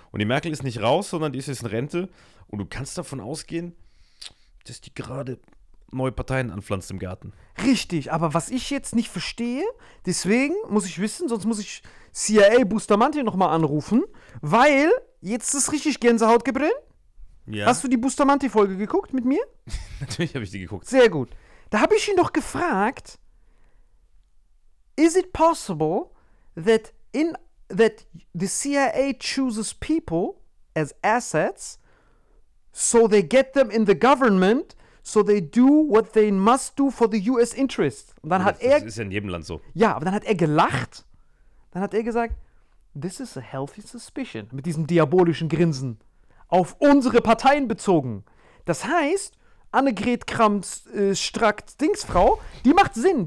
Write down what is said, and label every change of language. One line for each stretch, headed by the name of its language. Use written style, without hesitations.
German: Und die Merkel ist nicht raus, sondern die ist jetzt in Rente. Und du kannst davon ausgehen, dass die gerade neue Parteien anpflanzt im Garten. Richtig, aber was ich jetzt nicht verstehe, deswegen muss ich wissen, sonst muss ich CIA Bustamante nochmal anrufen, weil jetzt ist richtig Gänsehaut gebrillt. Ja. Hast du die Bustamante-Folge geguckt mit mir? Natürlich habe ich die geguckt. Sehr gut. Da habe ich ihn doch gefragt,
English: is it possible that the CIA chooses people as assets so they get them in the government so they do what they must do for the US interest.
German: Und dann das ist ja in jedem Land so. Ja, aber dann hat er gelacht. Dann hat er gesagt,
English: this is a healthy suspicion.
German: Mit diesem diabolischen Grinsen. Auf unsere Parteien bezogen. Das heißt, Annegret Kramp-Strack-Dingsfrau, die macht Sinn.